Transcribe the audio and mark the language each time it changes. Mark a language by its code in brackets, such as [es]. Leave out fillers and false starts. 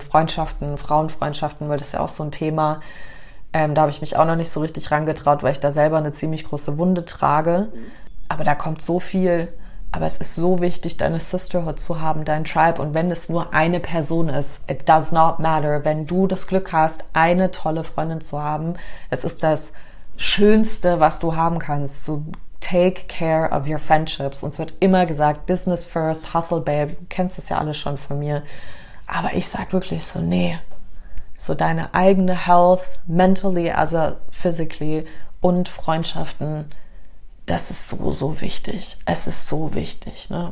[de] Freundschaften, Frauenfreundschaften, weil das ist ja auch so ein Thema. Da habe ich mich auch noch nicht so richtig rangetraut, weil ich da selber eine ziemlich große Wunde trage. Aber da kommt so viel. Aber es ist so wichtig, deine Sisterhood zu haben, dein Tribe. Und wenn es nur eine Person ist, [en] it does not matter. [de] Wenn du das Glück hast, eine tolle Freundin zu haben, es ist das Schönste, was du haben kannst. [en] So, take care of your friendships. [de] Uns wird immer gesagt, [en] Business first, hustle babe. [de] Du kennst das ja alles schon von mir. Aber ich sag wirklich so, nee. So deine eigene [en] Health, mentally, [de] also [en] physically [de] und Freundschaften. Das ist so, so wichtig. Es ist so wichtig. Ne?